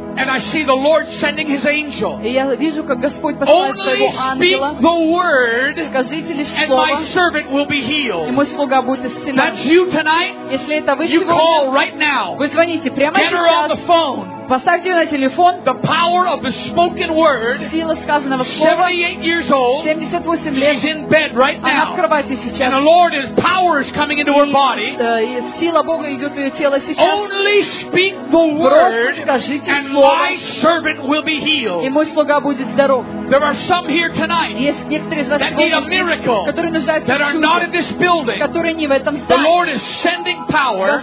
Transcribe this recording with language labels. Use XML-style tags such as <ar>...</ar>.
<en>And I see the Lord sending His angel.</en> <ru>Я вижу, как Господь посылает своего ангела.</ru> <en>The word.</en> <ru>Скажите лишь</ru> <en>and</en> <ru>слово.</ru> <en>And my servant will be healed.</en> <ru>И мой слуга будет исцелен.</ru> <en>That's you tonight.</en> <ru>Если это вы</ru> <en>you</en> <ru>сегодня.</ru> <en>You call right now.</en> <ru>Вы звоните прямо</ru> <en>Get</en> <ru>сейчас.</ru> <en>Get her on the phone.</en> <ru>Поставьте ее на телефон.</ru> <en>The power of the spoken word.</en> <ru>Сила сказанного слова.</ru> <en>78 years old.</en> <ru>78 лет.</ru> <en>She's in bed right now.</en> <ru>Она в кровати сейчас.</ru> <en>And the Lord is power is coming into her body.</en> <ru>Сила Бога идет в ее тело сейчас.</ru> <en>Only speak the word.</en> <ru>Скажите слово.</ru> <en>My servant will be healed.</en> <ru>И мой слуга будет здоров.</ru> <en>There are some here tonight.</en> <ru>Есть некоторые из вас,</ru> <en>that need a miracle.</en> <ru>Которые нуждаются в чуде.</ru> <en>That are not in this building.</en> <ru>Которые не в этом здании.</ru> <en>The Lord is sending power.</en>